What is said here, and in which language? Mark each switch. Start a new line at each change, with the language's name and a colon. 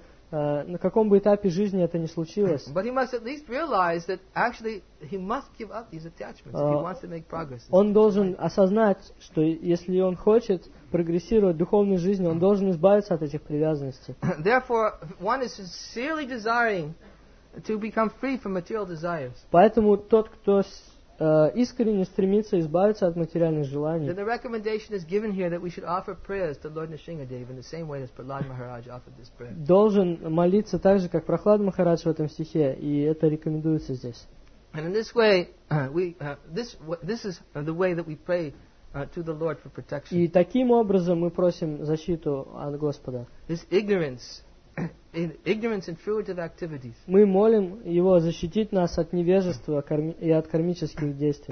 Russian: На каком бы этапе жизни это ни случилось.
English: But he must at least realize that actually he must give up these attachments if he wants to make progress.
Russian: Он должен осознать, что если он хочет прогрессировать в духовной жизни, он должен избавиться от этих привязанностей.
English: Therefore, one is sincerely desiring to become free from material desires.
Russian: Поэтому тот, кто искренне стремится избавиться от материальных желаний.
English: The recommendation is given here that we should offer prayers to Lord Nrisimhadeva in the same way as Prahlad Maharaj offered this prayer.
Russian: Должен молиться так же, как Прохлад Махарадж в этом стихе, и это рекомендуется здесь.
English: And in this way, this is the way that we pray to the Lord for protection.
Russian: И таким образом мы просим защиту от Господа.
English: This ignorance. In ignorance and fruitive activities.
Russian: Мы молим его защитить нас от невежества и от кармических действий.